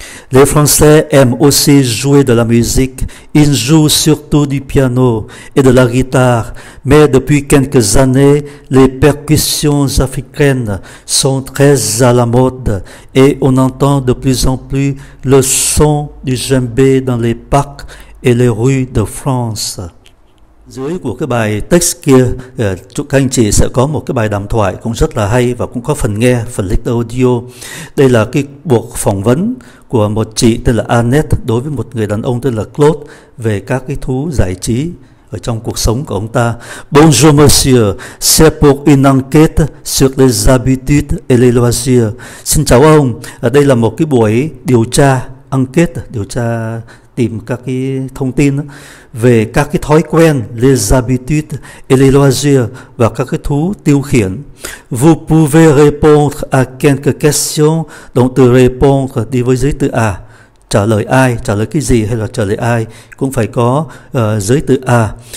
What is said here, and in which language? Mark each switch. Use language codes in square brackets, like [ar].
[fr] Les Français aiment aussi jouer de la musique. Ils jouent surtout du piano et de la guitare. Mais depuis quelques années, les percussions africaines sont très à la mode et on entend de plus en plus le son du djembé dans les parcs et les rues de France. [vi] Dưới của cái bài text kia, các anh chị sẽ có một cái bài đàm thoại cũng rất là hay và cũng có phần nghe, phần lịch audio. Đây là cái cuộc phỏng vấn của một chị tên là Annette đối với một người đàn ông tên là Claude về các cái thú giải trí ở trong cuộc sống của ông ta. [fr] Bonjour monsieur, c'est pour une enquête sur les habitudes et les loisirs. [vi] Xin chào ông, đây là một cái buổi điều tra, enquête, điều tra tìm các cái thông tin đó, về các cái thói quen, [fr] les habitudes et les loisirs [vi] và các cái thú tiêu khiển. [fr] Vous pouvez répondre à quelques questions, [vi] động từ répondre đi với giới từ à, trả lời ai, trả lời cái gì hay là trả lời ai cũng phải có giới từ à.